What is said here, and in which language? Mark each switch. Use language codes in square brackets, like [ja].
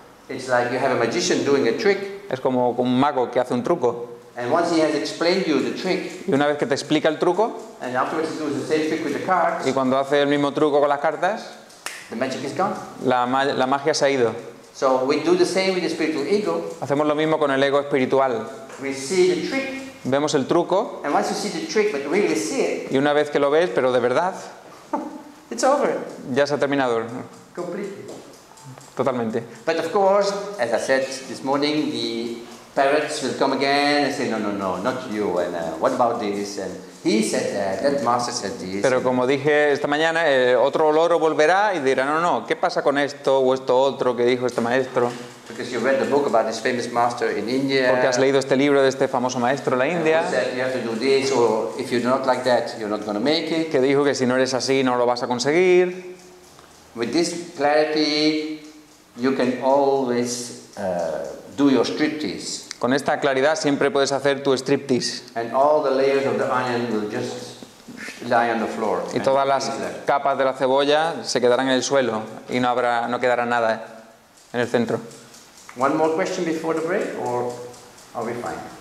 [en] It's like you have a magician doing a trick. [es] Es como un mago que hace un truco. [en] And once he has explained you the trick, [es] y una vez que te explica el truco, [en] and afterwards he does the same trick with the cards, [es] y cuando hace el mismo truco con las cartas, [en] the magic is gone. [es] La magia se ha ido. [en] So we do the same with the spiritual ego. [es] Hacemos lo mismo con el ego espiritual. [en] We see the trick. [es] Vemos el truco. [en] And once you see the trick, but really see it, [es] y una vez que lo ves, pero de verdad, [en] it's over. [es] Ya se ha terminado. [en] Completely. [es] Totalmente. [en] But of course, as I said this morning, the parents will come again and say, no, no, no, not you. And what about this? And he said that master said this. [es] Pero como dije esta mañana, otro loro volverá y dirá, no, no, ¿qué pasa con esto o esto otro que dijo este maestro? [en] Because you read the book about this famous master in India. [es] Porque has leído este libro de este famoso maestro en la India. Que dijo que si no eres así no lo vas a conseguir. [en] With this clarity, you can always do your striptease. [es] Con esta claridad siempre puedes hacer tu striptease. [en] And all the layers of the onion will just lie on the floor. [es] Y todas las capas de la cebolla se quedarán en el suelo y no quedará nada en el centro. [en] One more question before the break, or are we fine?